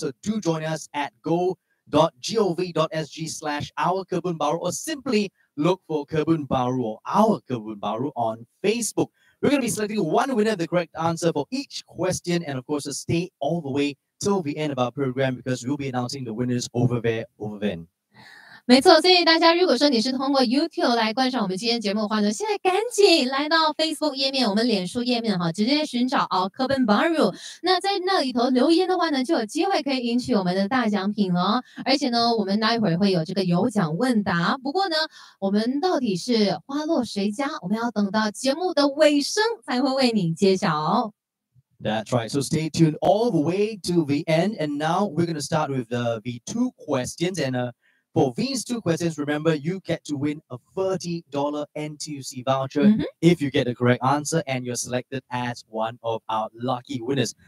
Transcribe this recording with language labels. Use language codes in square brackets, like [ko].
[en] So do join us at go.gov.sg/ourKebunBaru or simply look for Kebun Baru or Our Kebun Baru on Facebook. We're going to be selecting one winner of the correct answer for each question. And of course, just stay all the way till the end of our program because we'll be announcing the winners over there, over then. [zh] 没错，所以大家如果说你是通过 YouTube 来观赏我们今天节目的话呢，现在赶紧来到 Facebook 页面，我们脸书页面哈，直接寻找Kebun Baru。那在那里头留言的话呢，就有机会可以赢取我们的大奖品哦。而且呢，我们待会儿会有这个有奖问答。不过呢，我们到底是花落谁家？我们要等到节目的尾声才会为您揭晓。 [en] That's right. So stay tuned all the way to the end. And now we're going to start with the two questions. And for these two questions, remember, you get to win a $30 NTUC voucher if you get the correct answer and you're selected as one of our lucky winners.